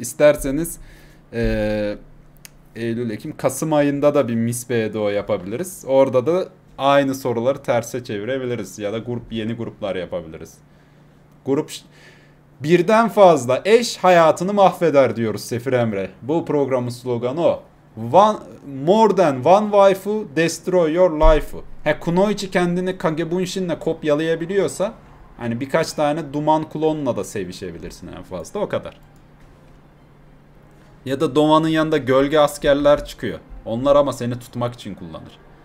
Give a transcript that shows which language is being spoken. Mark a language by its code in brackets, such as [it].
[tr] İsterseniz Eylül, Ekim, Kasım ayında da bir Miss BDO yapabiliriz. Orada da aynı soruları terse çevirebiliriz. Ya da grup yeni gruplar yapabiliriz. Grup birden fazla eş hayatını mahveder diyoruz Sefir Emre. Bu programın sloganı o. [en] More than one waifu destroy your life. [tr] Kunoichi kendini Kagebunshin'le kopyalayabiliyorsa hani birkaç tane duman klonla da sevişebilirsin en fazla o kadar. Ya da Doman'ın yanında gölge askerler çıkıyor. Onlar ama seni tutmak için kullanır.